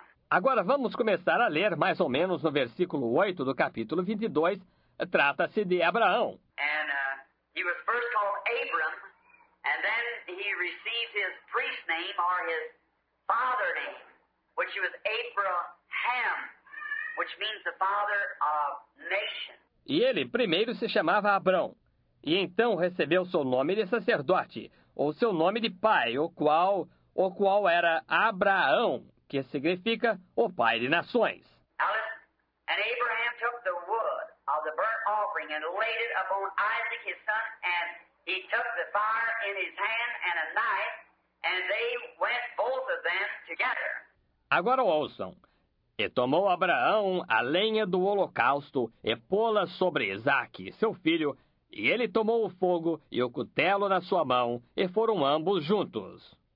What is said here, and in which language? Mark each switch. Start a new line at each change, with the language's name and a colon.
Portuguese: Agora vamos começar a ler mais ou menos no versículo 8 do capítulo 22, trata-se de Abraão.
English: He was first called Abram, and then he received his priest name or his father name, which was Abraham, which means the father of nations.
Portuguese: E ele primeiro se chamava Abrão, e então recebeu seu nome de sacerdote, ou seu nome de pai, o qual era Abraão, que significa o pai de nações.
English: And Abraham took the wood of the burnt offering and laid it upon Isaac his son, and he took the fire in his hand and a knife, and they went both of them together.
Portuguese: Agora ouçam. E tomou Abraão a lenha do holocausto e pô-la sobre Isaac, seu filho, e ele tomou o fogo e o cutelo na sua mão, e foram ambos juntos.